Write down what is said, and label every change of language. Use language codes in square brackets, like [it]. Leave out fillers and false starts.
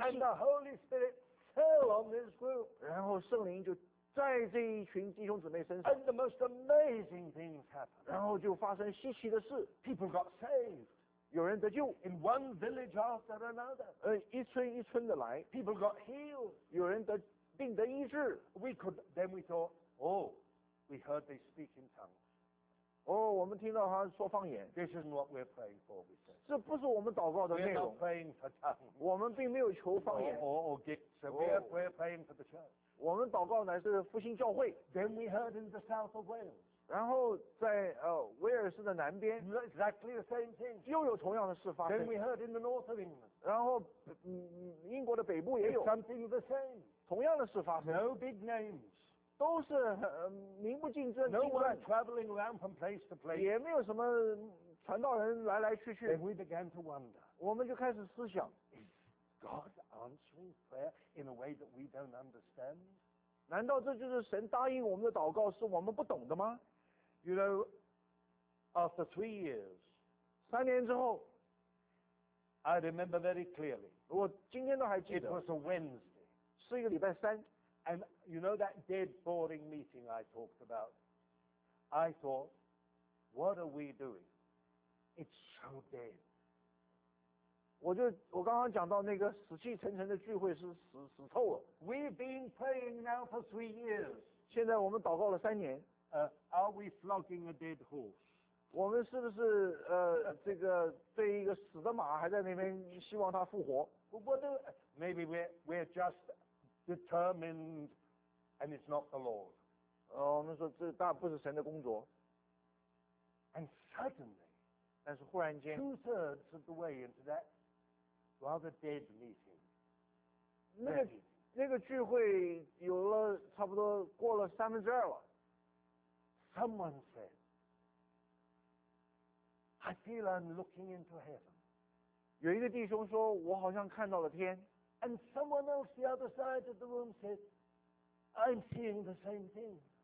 [en] And the Holy Spirit fell on this group. [zh] 然后圣灵就在这一群弟兄姊妹身上。 [en] And the most amazing things happened. [zh] 然后就发生稀奇的事。 [en] People got saved. [zh] 有人得救 [en] ，in one village after another， [zh] 一村一村的来 [en] ，people got healed， [zh] 有人得病得医治 [en] ，we could then we thought， oh， we heard they speak in tongues， [zh] 我们听到他说方言 [en] ，this isn't what we're praying for， we said， [zh] 这不是我们祷告的内容 [en] ，we're not praying for tongues， [zh] 我们并没有求方言 [en] ，or gifts， we're praying for the church， [zh] 我们祷告乃是复兴教会 [en] ，then we heard in the south of Wales。 [zh] 然后在威尔士的南边 [en] ，exactly the same thing， [zh] 又有同样的事发生。 [en] Then we heard in the north of England， [zh] 然后英国的北部也有 [en] ，something the same， [zh] 同样的事发生。 [en] No big names， [zh] 都是名不竞争。 [en] No one traveling around from place to place， [zh] 也没有什么传道人来来去去。 [en] Then we began to wonder， [zh] 我们就开始思想 [en] ，Is God answering prayer in a way that we don't understand？ [zh] 难道这就是神答应我们的祷告是我们不懂的吗？ [en] You know, after 3 years, [zh] 3年之后 [en] I remember very clearly. [zh] 我今天都还记得。 [en] It was a Wednesday. [zh] 是一个礼拜三。 [en] And you know that dead boring meeting I talked about? I thought, what are we doing? It's so dead. [zh] 我刚刚讲到那个死气沉沉的聚会是死透了。 [en] We've been praying now for 3 years. [zh] 现在我们祷告了三年。 [en] Are we flogging a dead horse? [zh] 我们是不是这个对一个死的马还在那边希望它复活 [en] ？Maybe we're just determined, and it's not the Lord. [zh] 我们说这大不是神的工作。 [en] And suddenly, [zh] 但是忽然间 [en] ，2/3 of the way into that rather dead meeting. [zh] 那个聚会有了差不多过了2/3了。 [en] Someone said, I feel I'm looking into heaven. [zh] 有一个弟兄说我好像看到了天。 [en] And someone else the other side of the room said, I'm seeing the same thing.